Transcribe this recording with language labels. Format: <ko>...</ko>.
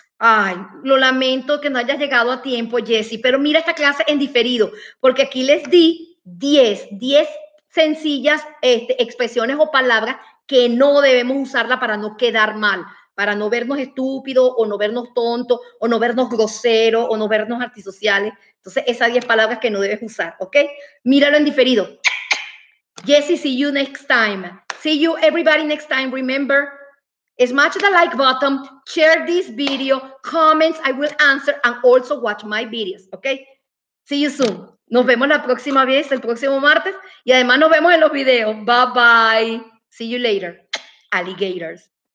<es>Ay, lo lamento que no hayas llegado a tiempo, Jessie. Pero mira esta clase en diferido, porque aquí les di 10 sencillas expresiones o palabras que no debemos usarla para no quedar mal, para no vernos estúpidos o no vernos tontos o no vernos groseros o no vernos antisociales. Entonces, esas 10 palabras que no debes usar, ¿ok? Míralo en diferido.</es> <en>Jesse, see you next time. See you, everybody, next time. Remember, smash the like button, share this video, comments, I will answer, and also watch my videos, okay? See you soon.</en> <es>Nos vemos la próxima vez, el próximo martes, y además nos vemos en los videos.</es> <en>Bye-bye. See you later, alligators.</en>